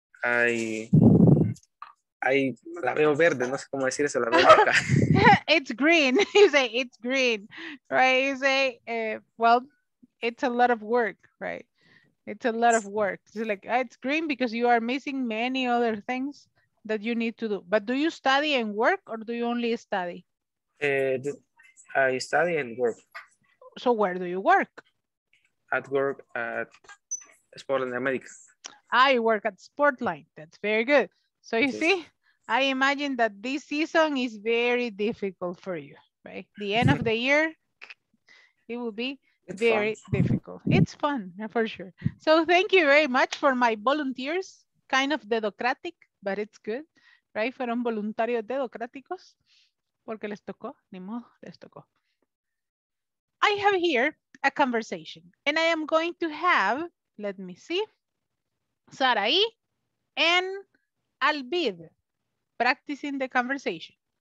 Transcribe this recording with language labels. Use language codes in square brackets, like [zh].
[es] I la veo verde, no sé cómo decir eso, la veo blanca. [en] It's green, you say it's green, right? You say, well, it's a lot of work, right? It's a lot of work. It's like, it's green because you are missing many other things that you need to do. But do you study and work or do you only study? I study and work. So where do you work? At work at Sportline America. I work at Sportline. That's very good. So you see, I imagine that this season is very difficult for you, right? The end of the year, it will be difficult. It's fun, for sure. So thank you very much for my volunteers, kind of dedocratic, but it's good, right? [es] Fueron voluntarios dedocráticos, porque les tocó, ni modo, les tocó. [en] I have here a conversation, and I am going to have, let me see, Sarai and Albid practicing the conversation.